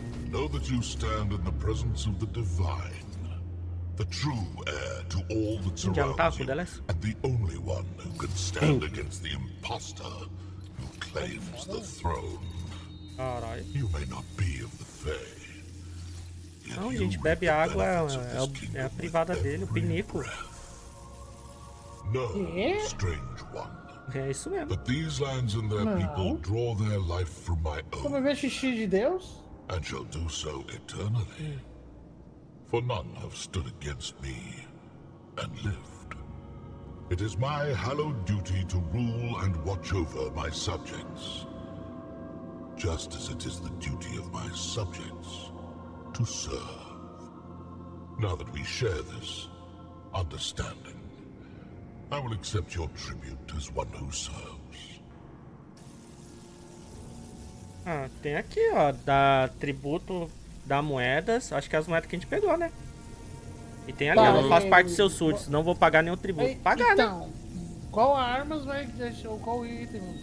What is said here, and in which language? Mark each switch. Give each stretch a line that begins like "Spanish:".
English: Know that you stand in the presence of the divine, the true heir to all that surrounds you, and the only one who can stand against the imposter who claims the throne. All right. You may not be of the Fae.
Portuguese: Não, gente, bebe água, é a privada dele, o pinico.
English: No, strange one.
Portuguese: É isso mesmo.
English: But these lands and their people draw their life from my own.
Portuguese: Como é xixi de Deus?
English: And shall do so eternally. For none have stood against me and lived. It is my hallowed duty to rule and watch over my subjects. Just as it is the duty of my subjects to serve. Now that we share this understanding, I will accept your tribute as one who serves.
Portuguese: Ah, tem aqui, ó, da tributo da moedas, acho que é as moedas que a gente pegou, né? E tem ali, eu não faço parte dos seus súditos, não vou pagar nenhum tributo. Aí, pagar, então, né? Então, qual armas vai deixar, ou qual item?